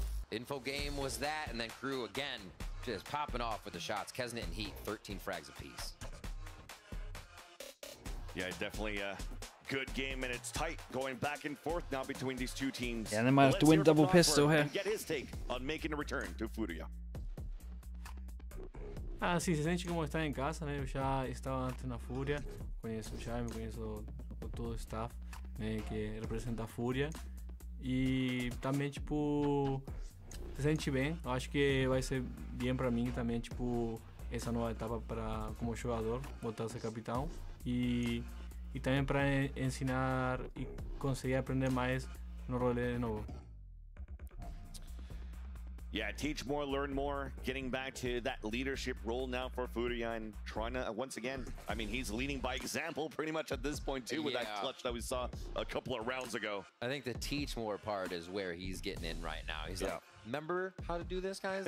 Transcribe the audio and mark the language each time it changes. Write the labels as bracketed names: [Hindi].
[English] Info game was that, and then KRU again just popping off with the shots. Kesnit and Heat, 13 frags apiece. Yeah, definitely a good game, and it's tight going back and forth now between these two teams. Yeah, they might have to win double pistol here. And get his take on making a return to Furia. [Portuguese] Ah, sim, se sente como está em casa, né? Eu já estava antes na Furia, conheço o Chai, conheço todo o staff, né, que representa a Furia. E também, tipo, se sente bem. Eu acho que vai ser bem para mim também, tipo, essa nova etapa para como jogador, voltar a ser capitão. E também para ensinar e conseguir aprender mais no rolê de novo. [English] Yeah, teach more, learn more, getting back to that leadership role now for Furia and trying to, once again, I mean, he's leading by example pretty much at this point too with that clutch that we saw a couple of rounds ago. I think the teach more part is where he's getting in right now. He's like, remember how to do this, guys?